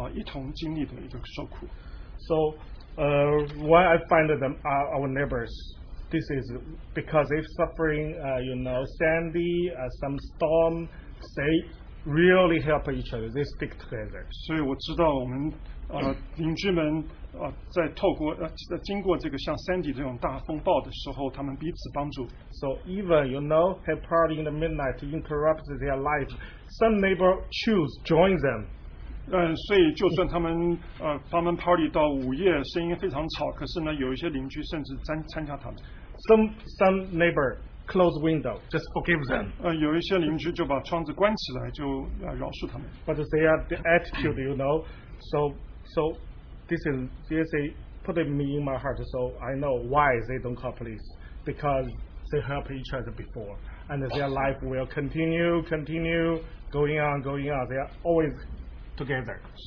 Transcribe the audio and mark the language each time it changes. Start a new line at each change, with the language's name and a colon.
Chinese: 所以我讲的这个受苦不只是在指我们个人的受苦，而是我们团体的一同经历的一个受苦。So
English: why I find them are our neighbors. This is because if suffering, you know, Sandy, some storm, they really help each other. They stick together.
Chinese: 所以我知道我们 邻居们在经过这个像 Sandy 这种大风暴的时候，他们彼此帮助。So
English: even you know, have party in the midnight to interrupt their life, some neighbor choose join them.
Chinese: 所以就算他们 party 到午夜，声音非常吵，可是呢，有一些邻居甚至参加他们。Some
English: neighbor close window, just forgive them.
Chinese: 有一些邻居就把窗子关起来，就 饶恕他们。But
English: they are the attitude, you know, so. So this is putting me in my heart, so I know why they don't call police, because they help each other before, and their life will continue going on, they are always together.